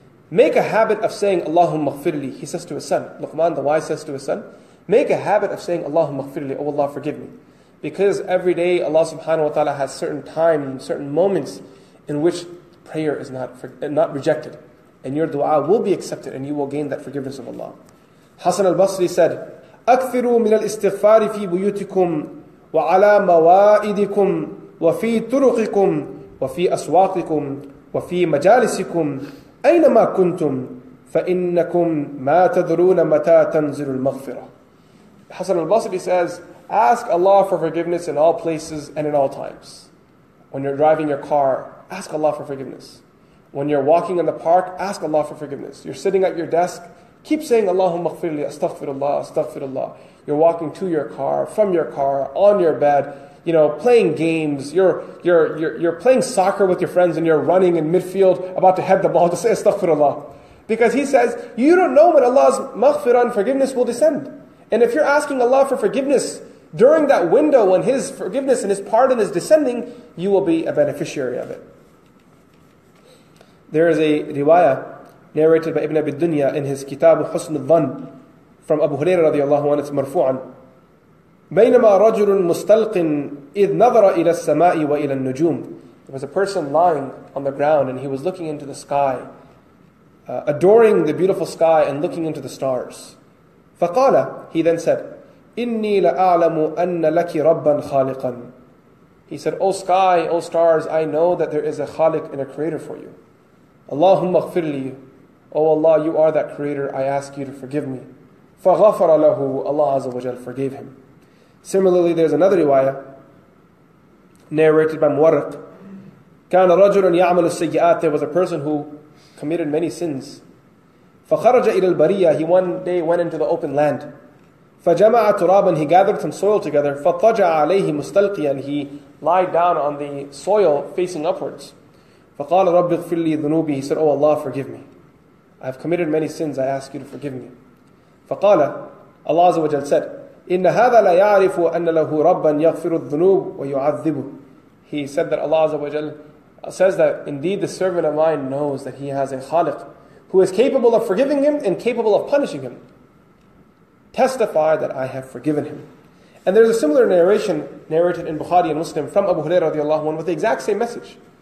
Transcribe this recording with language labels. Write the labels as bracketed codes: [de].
[en] Make a habit of saying Allahumma ghfirli, he says to his son. Luqman the wise says to his son, make a habit of saying Allahumma ghfirli, oh Allah, forgive me. Because every day Allah subhanahu wa ta'ala has certain time, certain moments in which prayer is not rejected. And your dua will be accepted and you will gain that forgiveness of Allah. Hasan al-Basri said, [ar] أكثروا من الاستغفار في بيوتكم وعلى موائدكم وفي طرقكم وفي أسواقكم وفي مجالسكم أينما كنتم فإنكم ما تدرون متى تنزل المغفرة. [en] Hassan al-Basri says, ask Allah for forgiveness in all places and in all times. When you're driving your car, ask Allah for forgiveness. When you're walking in the park, ask Allah for forgiveness. You're sitting at your desk, keep saying Allahumma ghfirli, astaghfirullah, astaghfirullah. You're walking to your car, from your car, on your bed, you know, playing games, you're playing soccer with your friends and you're running in midfield about to head the ball, to say astaghfirullah. Because he says, you don't know when Allah's maghfirah and forgiveness will descend. And if you're asking Allah for forgiveness during that window when His forgiveness and His pardon is descending, you will be a beneficiary of it. There is a riwayah narrated by Ibn Abi Dunya in his Kitab Husn al-Dhan from Abu Huraira radiallahu anhu, it's marfu'an. [ar] بَيْنَمَا رَجُلٌ مُسْتَلْقٍ إِذْ نَظَرَ إِلَى السَّمَاءِ وَإِلَى النُّجُومِ. [en] There was a person lying on the ground and he was looking into the sky, adoring the beautiful sky and looking into the stars. [ar] فقال, [en] he then said, [ar] إني لأعلم أن لك ربا خالقا. [en] He said, O sky, O stars, I know that there is a [ar] خالق [en] and a creator for you. [ar] اللهم اغفر لي. [en] O Allah, you are that creator, I ask you to forgive me. [ar] فغفر له, [en] Allah Azza wa Jal forgave him. Similarly, there's another riwayah narrated by Muwarriq. [ar] كان رجل يعمل السيئات. [en] There was a person who committed many sins. [ar] فخرج إلى البرية. [en] He one day went into the open land. [ar] فجمع ترابا. [en] He gathered some soil together. [ar] فطجع عليه مستلقيا. [en] He lied down on the soil facing upwards. [ar] فقال رب اغفر لي ذنوبي. [en] He said, Oh Allah, forgive me. I have committed many sins. I ask you to forgive me. [ar] فقال, Allah عز وجل [en] said, [ar] إن هذا لا يعرف أن له ربا يغفر الذنوب ويعذبه. [en] He said that Allah عز وجل says that indeed the servant of mine knows that he has a [ar] خالق [en] who is capable of forgiving him and capable of punishing him. Testify that I have forgiven him. And there's a similar narration narrated in Bukhari and Muslim from Abu Hurairah radiallahu anhu with the exact same message.